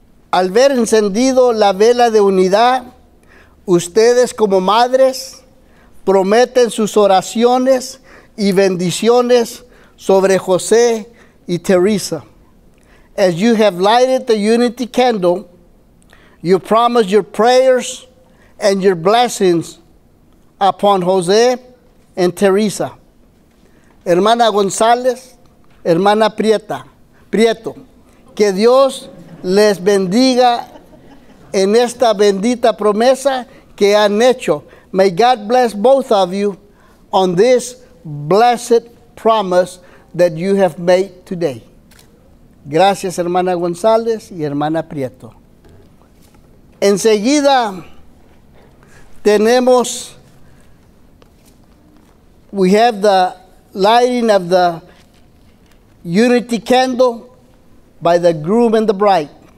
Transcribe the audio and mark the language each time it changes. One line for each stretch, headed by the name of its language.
Spanish: Al ver encendido la vela de unidad, ustedes como madres prometen sus oraciones y bendiciones sobre José y Teresa.
English: As you have lighted the unity candle, you promise your prayers and your blessings upon José and Teresa.
Spanish: Hermana González, hermana Prieto, que Dios les bendiga en esta bendita promesa que han hecho.
English: May God bless both of you on this blessed promise that you have made today. Gracias, hermana González y hermana Prieto. Enseguida tenemos, we have the lighting of the unity candle by the groom and the bride.